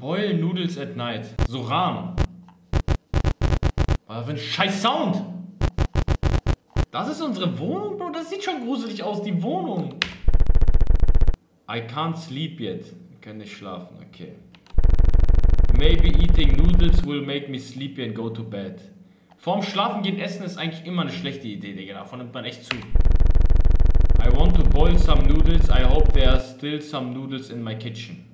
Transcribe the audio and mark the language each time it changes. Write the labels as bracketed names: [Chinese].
[German] Boil Noodles at Night. So Rahm. Was für ein scheiß Sound! Das ist unsere Wohnung, Bro. Das sieht schon gruselig aus, die Wohnung. I can't sleep yet. Ich kann nicht schlafen, okay. [English] Maybe eating noodles will make me sleepy and go to bed. [German] Vorm Schlafen gehen essen ist eigentlich immer eine schlechte Idee, Digga. Davon nimmt man echt zu. [English] I want to boil some noodles. I hope there are still some noodles in my kitchen.